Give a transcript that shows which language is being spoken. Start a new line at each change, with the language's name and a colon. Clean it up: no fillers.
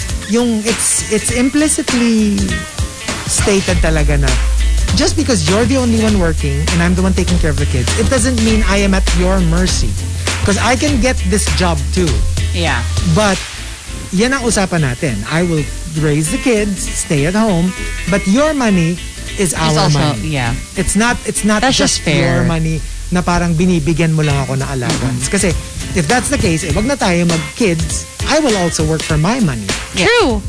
English: Yung it's implicitly stated talaga na, just because you're the only one working and I'm the one taking care of the kids, it doesn't mean I am at your mercy. Because I can get this job too. Yeah.
Filipino: But, yan ang usapan natin.
English: I will raise the kids, stay at home, but your money is our also, money. Yeah. It's not that's just fair. Your money
Filipino: na parang binibigyan mo lang ako na allowance. Mm-hmm.
English: Kasi, if that's the case,
Filipino: eh, wag na tayo mag-kids,
English: I will also work for my money. Yeah. True.